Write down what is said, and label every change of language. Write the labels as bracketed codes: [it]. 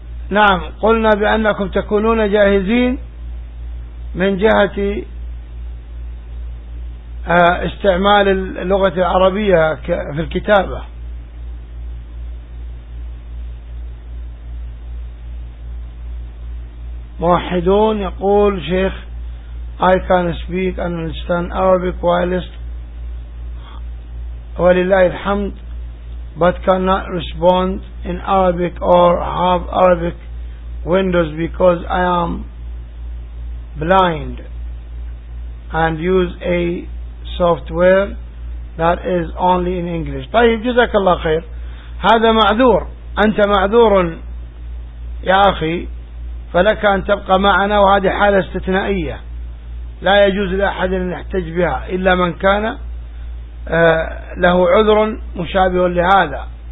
[ar] نعم قلنا بأنكم تكونون جاهزين من جهة استعمال اللغة العربية في الكتابة، موحدون. يقول شيخ [en] I can speak and understand Arabic whilst [ar] ولله الحمد [en] but cannot respond in Arabic or have Arabic windows because I am blind and use a software that is only in English. [ar] طيب، جزاك الله خير، هذا معذور، أنت معذور يا أخي، فلك أن تبقى معنا، وهذه حالة استثنائية لا يجوز لأحد أن يحتج بها إلا من كان له عذر مشابه لهذا.